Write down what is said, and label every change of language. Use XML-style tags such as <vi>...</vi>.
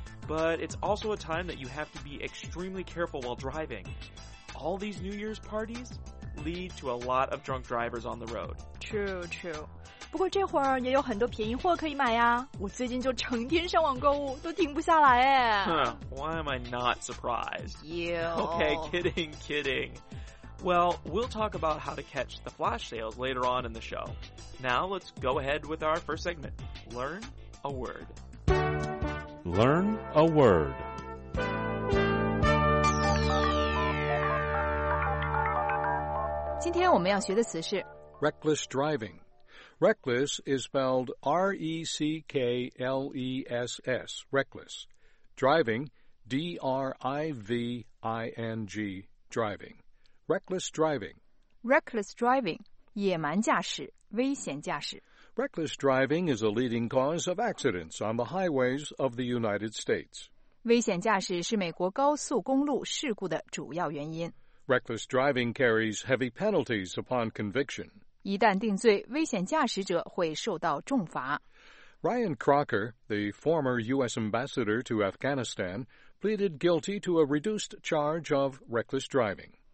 <en>But it's also a time that you have to be extremely careful while driving. All these New Year's parties lead to a lot of drunk drivers on the road. True, true.</en> <zh>不过这会儿也有很多便宜货可以买呀。我最近就成天上网购物，都停不下来耶。</zh> <en>Why am I not surprised? You. Okay, kidding, kidding. Well, we'll talk about how to catch the flash sales later on in the show. Now, let's go ahead with our first segment. Learn a word. Learn a word. Today, we're going to learn the word reckless driving. Reckless is spelled R-E-C-K-L-E-S-S, reckless. Driving, D-R-I-V-I-N-G, driving. Reckless driving.</en> <zh>Reckless driving, 野蛮驾驶,危险驾驶。</zh> <en>Reckless driving is a leading cause of accidents on the highways of the United States.</en> <zh>危险驾驶是美国高速公路事故的主要原因。</zh> <en>Reckless driving carries heavy penalties upon conviction.</en> <zh>一旦定罪,危险驾驶者会受到重罚。</zh> <en>Ryan Crocker, the former U.S. ambassador to Afghanistan, pleaded guilty to a reduced charge of reckless driving.</en>